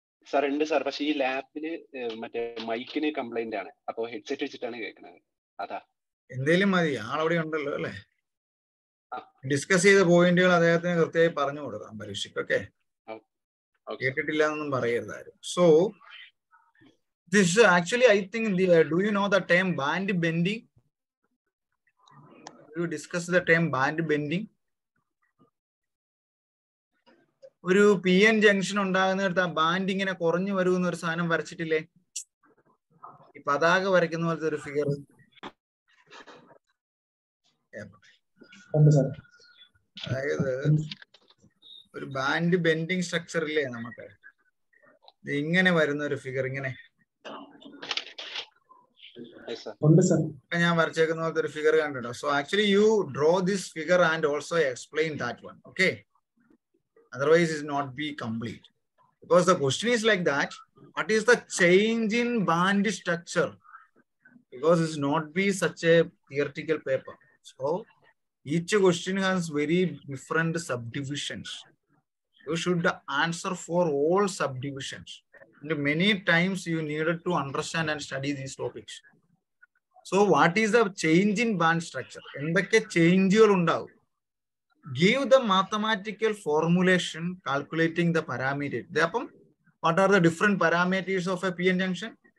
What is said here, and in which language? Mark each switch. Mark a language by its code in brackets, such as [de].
[ml] Sir ഉണ്ട് sir, പക്ഷെ ഈ ലാപ്പില് മറ്റേ മൈക്കിന് കംപ്ലൈന്റ് ആണ്, അപ്പൊ ഹെഡ്സെറ്റ് വെച്ചിട്ടാണ് കേൾക്കുന്നത്. അതാ, എന്തേലും മതി, ആളവിടെ ഉണ്ടല്ലോ അല്ലേ. ഡിസ്കസ് ചെയ്ത പോയിന്റുകൾ അദ്ദേഹത്തിന് കൃത്യമായി പറഞ്ഞു കൊടുക്കാം പരീക്ഷക്കൊക്കെ. കേട്ടിട്ടില്ല എന്നൊന്നും പറയരുതായിരുന്നു. [en] So this is actually I think the, do you know the term band bending? Will you discuss the term band bending? [ml] ഒരു പി എൻ ജംഗ്ഷൻ ഉണ്ടാകുന്നിടത്ത് ആ ബാൻഡ് ഇങ്ങനെ കുറഞ്ഞു വരും എന്നൊരു സാധനം വരച്ചിട്ടില്ലേ, ഈ പതാക വരയ്ക്കുന്ന പോലത്തെ ഒരു ഫിഗർ. അതായത് ഒരു ബാൻഡ് ബെൻഡിങ് സ്ട്രക്ചർ ഇല്ലേ നമുക്ക്, ഇങ്ങനെ വരുന്ന ഒരു ഫിഗർ ഇങ്ങനെ. ഞാൻ വരച്ചേക്കുന്ന പോലത്തെ ഒരു ഫിഗർ കണ്ടോ? [en] So actually you draw this figure and also explain that one, okay? Otherwise is not be complete, because the question is like that, what is the change in band structure, because is not be such a theoretical paper. So each question has very different sub divisions, you should answer for all sub divisions. And many times you needed to understand and study these topics. So what is the change in band structure? [ml] Endakke changes undavu? [en] Give the mathematical formulation calculating the parameters. Appam what are the different parameters of a pn junction?